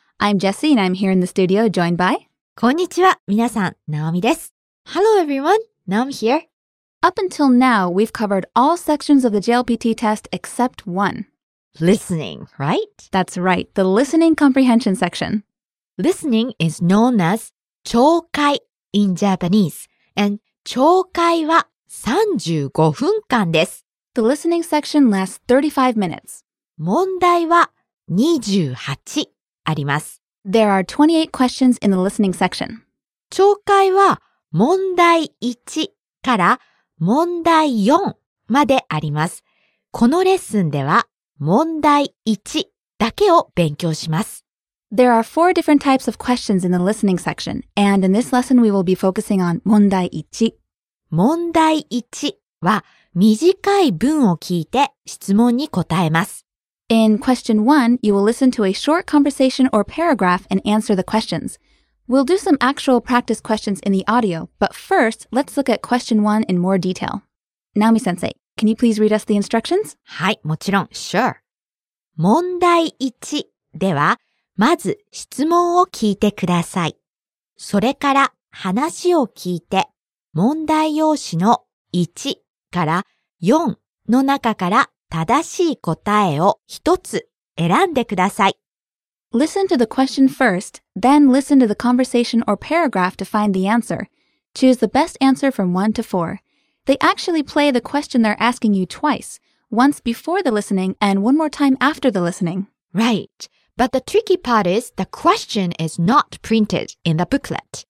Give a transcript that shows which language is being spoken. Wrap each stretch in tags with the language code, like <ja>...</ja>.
<en>I'm Jessie and I'm here in the studio joined by...</en> <ja>こんにちは、皆さん、ナオミです。</ja> <en>Hello everyone, Naomi here. Up until now, we've covered all sections of the JLPT test except one. Listening, right? That's right, the listening comprehension section. Listening is known as 聴解 in Japanese, and</en> <ja>聴解は35分間です。</ja> <en>The listening section lasts 35 minutes.</en> <ja>問題は28あります。</ja> <en>There are 28 questions in the listening section.</en> <ja>聴解は問題1から問題4まであります。このレッスンでは問題1だけを勉強します。</ja> <en>There are 4 different types of questions in the listening section, and in this lesson we will be focusing on 問題1。</en> <ja>問題1は短い文を聞いて質問に答えます。</ja> <en>In question 1, you will listen to a short conversation or paragraph and answer the questions. We'll do some actual practice questions in the audio, but first, let's look at question 1 in more detail. Naomi-sensei, can you please read us the instructions?</en> <ja>はい、もちろん、sure. 問題1では、まず質問を聞いてください。それから話を聞いて、問題用紙の1から4の中から正しい答えを一つ選んでください。</ja> <en>Listen to the question first, then listen to the conversation or paragraph to find the answer. Choose the best answer from 1 to 4. They actually play the question they're asking you twice, once before the listening and one more time after the listening. Right. But the tricky part is the question is not printed in the booklet.</en>